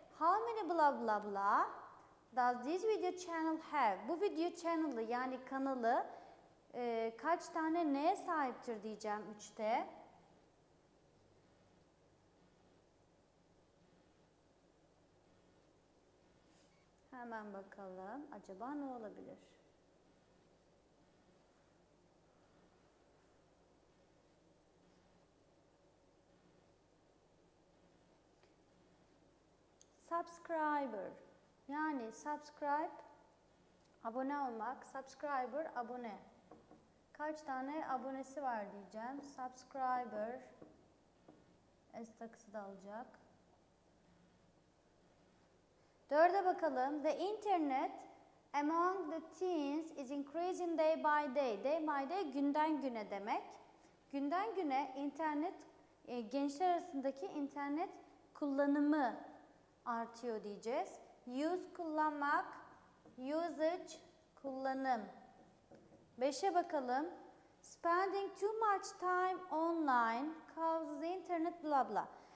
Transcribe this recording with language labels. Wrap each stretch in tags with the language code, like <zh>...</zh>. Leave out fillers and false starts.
<en>How many blah blah blah does this video channel have?</en> <tr>Bu video channel'ı yani kanalı kaç tane neye sahiptir diyeceğim 3'te. Hemen bakalım. Acaba ne olabilir? Subscriber. Yani subscribe, abone olmak. Subscriber, abone. Kaç tane abonesi var diyeceğim. Subscriber. S takısı da alacak. Dörde bakalım.</tr> <en>The internet among the teens is increasing day by day. Day by day</en> <tr>günden güne demek. Günden güne internet, gençler arasındaki internet kullanımı artıyor diyeceğiz. Use kullanmak, usage kullanım. Beşe bakalım.</tr> <en>Spending too much time online causes internet blah blah.</en>